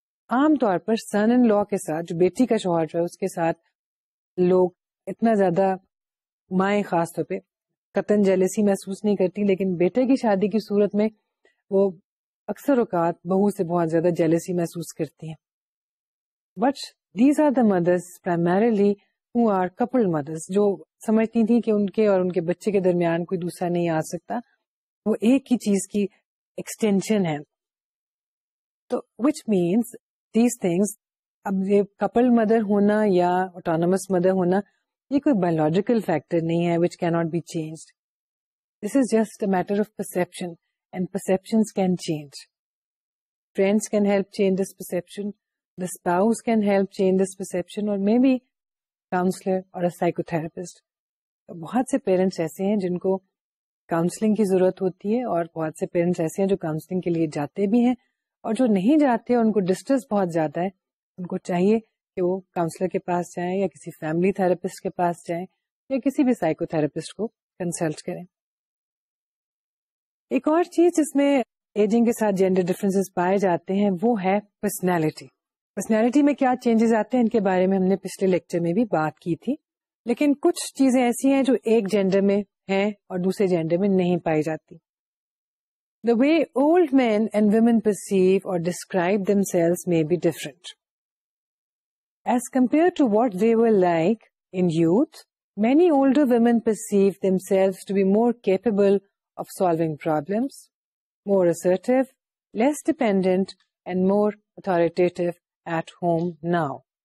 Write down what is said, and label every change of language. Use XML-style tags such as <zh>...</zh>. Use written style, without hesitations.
<ur>عام طور پر سن ان لا کے ساتھ, جو بیٹی کا شوہر جو ہے اس کے ساتھ لوگ اتنا زیادہ مائیں خاص طور پہ قطن جیلسی محسوس نہیں کرتی, لیکن بیٹے کی شادی کی صورت میں وہ اکثر اوقات بہو سے بہت زیادہ جیلسی محسوس کرتی ہیں.</ur> <en>but these are the mothers primarily who are couple mothers,</en> <ur>جو سمجھتی تھی کہ ان کے اور ان کے بچے کے درمیان کوئی دوسرا نہیں آ سکتا, وہ ایک ہی چیز کی ایکسٹینشن ہے. تو</ur> <en>which means these things,</en> <ur>اب یہ کپل مدر ہونا یا اٹانومس مدر ہونا یہ کوئی بایولوجیکل فیکٹر نہیں ہے</ur> <en>Which can not be changed. This is just a matter of perception and perceptions can change. Friends can help change this perception, the spouse can help change this perception, اور may be counsellor اور psychotherapist.</en> <ur>بہت سے parents ایسے ہیں جن کو counselling کی ضرورت ہوتی ہے, اور بہت سے پیرنٹس ایسے ہیں جو کاؤنسلنگ کے لیے جاتے بھی ہیں, اور جو نہیں جاتے ان کو ڈسٹرس بہت زیادہ ہے. ان کو چاہیے کہ وہ کاؤنسلر کے پاس جائیں یا کسی فیملی تھراپسٹ کے پاس جائیں یا کسی بھی سائیکو تھراپسٹ کو کنسلٹ کریں. ایک اور چیز جس میں ایجنگ کے ساتھ جینڈر ڈفرینسز پائے جاتے ہیں وہ ہے پرسنالٹی. پرسنالٹی میں کیا چینجز آتے ہیں ان کے بارے میں ہم نے پچھلے لیکچر میں بھی بات کی تھی. لیکن کچھ چیزیں ایسی ہیں جو ایک جینڈر میں ہیں اور دوسرے جینڈر میں نہیں پائی جاتی.</ur> <en>The way old men and women perceive or describe themselves may be different. As compared to what they were like in youth, many older women perceive themselves to be more capable of solving problems, more assertive, less dependent, and more authoritative at home now.</en>